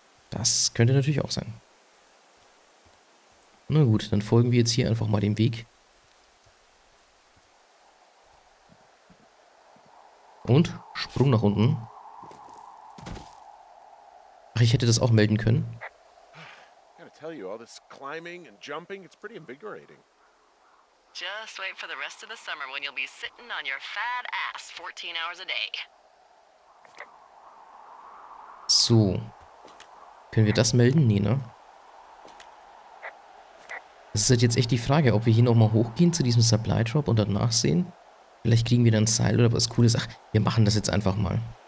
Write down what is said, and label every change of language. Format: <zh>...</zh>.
<de>Das könnte natürlich auch sein. Na gut, dann folgen wir jetzt hier einfach mal dem Weg. Und Sprung nach unten. Ach, ich hätte das auch melden können.</de> <en>Tell you all this climbing and jumping, it's pretty invigorating. Just wait for the rest of the summer when you'll be sitting on your fat ass 14 hours a day.</en> <de>So. Können wir das melden, Nina? Es ist halt jetzt echt die Frage, ob wir hier nochmal hochgehen zu diesem Supply Drop und dann nachsehen. Vielleicht kriegen wir dann ein Seil oder was Cooles. Ach, wir machen das jetzt einfach mal.</de>